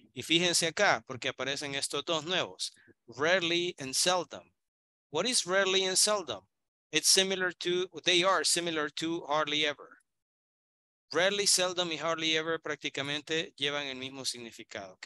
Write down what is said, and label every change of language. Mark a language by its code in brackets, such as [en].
[es] Y fíjense acá, porque aparecen estos dos nuevos. [en] Rarely and seldom. What is rarely and seldom? It's similar to, they are similar to hardly ever. [es] Rarely, seldom, y hardly ever prácticamente llevan el mismo significado.